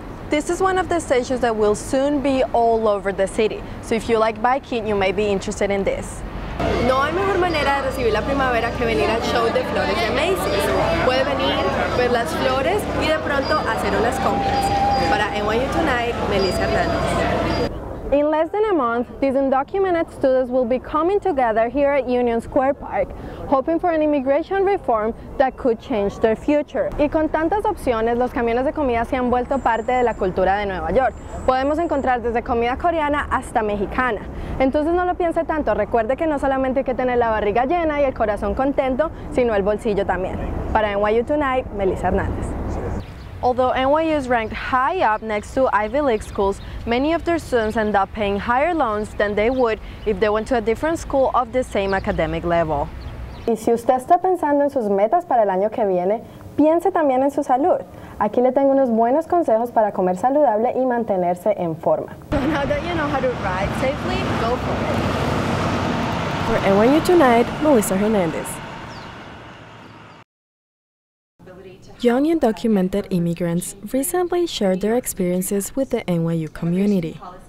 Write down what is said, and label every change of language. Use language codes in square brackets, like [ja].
[en] This is one of the stations that will soon be all over the city. So if you like biking, you may be interested in this. [es] No hay mejor manera de recibir la primavera que venir al show de flores de Macy's. Puede venir, ver las flores y de pronto hacer unas compras. Para NYU Tonight, Melissa Hernandez. [en] In less than a month, these undocumented students will be coming together here at Union Square Park, hoping for an immigration reform that could change their future. [es] Y con tantas opciones, los camiones de comida se han vuelto parte de la cultura de Nueva York. Podemos encontrar desde comida coreana hasta mexicana. Entonces no lo piense tanto, recuerde que no solamente hay que tener la barriga llena y el corazón contento, sino el bolsillo también. Para NYU Tonight, Melissa Hernandez. [en] Although NYU is ranked high up next to Ivy League schools, many of their students end up paying higher loans than they would if they went to a different school of the same academic level. [es] Y si usted está pensando en sus metas para el año que viene, piense también en su salud. Aquí le tengo unos buenos consejos para comer saludable y mantenerse en forma. [en] So now that you know how to ride safely, go for it. For NYU Tonight, Melissa Hernandez. Young undocumented immigrants recently shared their experiences with the NYU community.